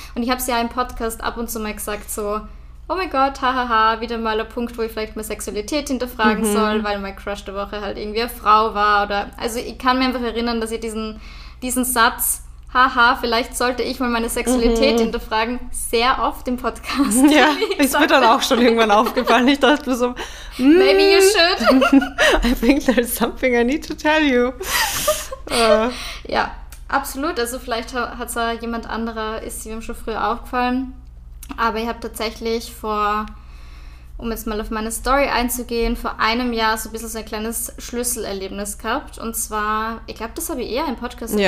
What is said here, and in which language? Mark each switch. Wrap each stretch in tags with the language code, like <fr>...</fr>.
<de>Und ich habe es ja im Podcast ab und zu mal gesagt, so, oh mein Gott, hahaha, wieder mal ein Punkt, wo ich vielleicht meine Sexualität hinterfragen soll, weil mein Crush der Woche halt irgendwie eine Frau war. Oder, also ich kann mich einfach erinnern, dass ich diesen Satz, haha, vielleicht sollte ich mal meine Sexualität hinterfragen, sehr oft im Podcast. Ja, ist mir dann auch schon irgendwann aufgefallen. Ich dachte mir so,</de> <en>maybe you should. I think there's something I need to tell you.</en> <de>Ja, absolut. Also vielleicht hat es ja jemand anderer, ist ihm schon früher aufgefallen. Aber ich habe tatsächlich vor, um jetzt mal auf meine Story einzugehen, vor einem Jahr so ein bisschen so ein kleines Schlüsselerlebnis gehabt. Und zwar, ich glaube, das habe ich eher im Podcast erzählt.</de>